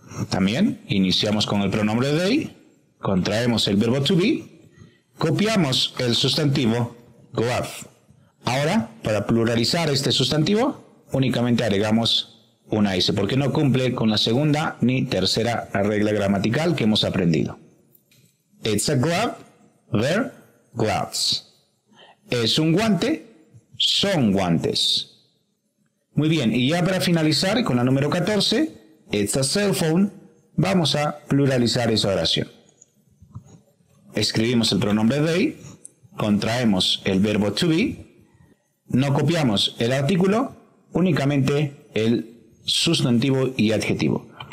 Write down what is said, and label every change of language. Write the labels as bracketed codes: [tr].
[es] También iniciamos con el pronombre they, contraemos el verbo to be, copiamos el sustantivo go off. Ahora, para pluralizar este sustantivo, únicamente agregamos una S, porque no cumple con la segunda ni tercera regla gramatical que hemos aprendido. [en] It's a glove, they're gloves. [es] Es un guante, son guantes. Muy bien, y ya para finalizar con la número 14, [en] it's a cell phone, [es] vamos a pluralizar esa oración. Escribimos el pronombre they, contraemos el verbo to be, no copiamos el artículo, únicamente el sustantivo y adjetivo.